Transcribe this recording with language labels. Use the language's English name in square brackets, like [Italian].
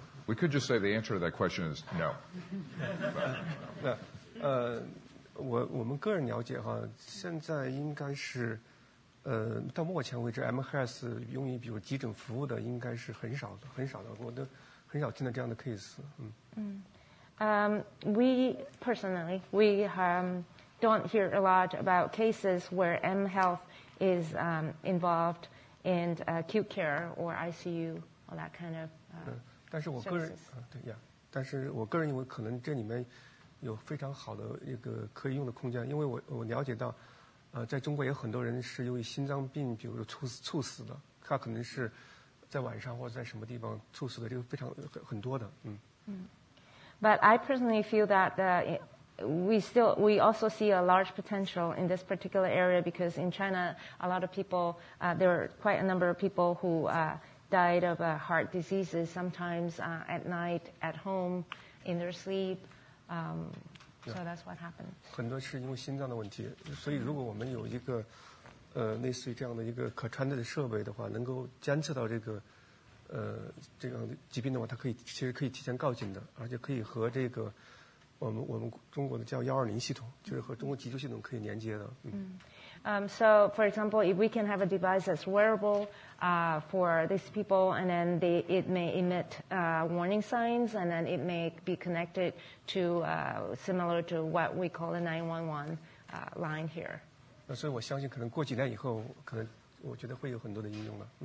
[English] We could just say the answer to that question is no. [Chinese] 那我们个人了解哈，现在应该是，到目前为止 ，MHS 用于比如急诊服务的应该是很少的，很少的，我都很少见到这样的 case。嗯。嗯， [English] we personally we don't hear a lot about cases where mHealth is involved in acute care or ICU or that kind of. [Chinese] 但是我个人啊，对呀，但是我个人认为可能这里面有非常好的一个可以用的空间，因为我了解到，在中国也很多人是由于心脏病，比如说猝死的，他可能是在晚上或者在什么地方猝死的，这个非常很多的，嗯。 [English] But I personally feel that we also see a large potential in this particular area because in China, a lot of people, there are quite a number of people who died of heart diseases sometimes at night, at home, in their sleep. So that's what happened. [Chinese] 很多是因为心脏的问题，所以如果我们有一个类似于这样的一个可穿戴的设备的话，能够监测到这个这样的疾病的话，它可以其实可以提前告警的，而且可以和这个我们中国的叫120系统，就是和中国急救系统可以连接的。 [English] So for example, if we can have a device that's wearable for these people, and then it may emit warning signs, and then it may be connected to similar to what we call the 911 line here. [Chinese] 所以我相信可能过几年以后，可能我觉得会有很多的应用了。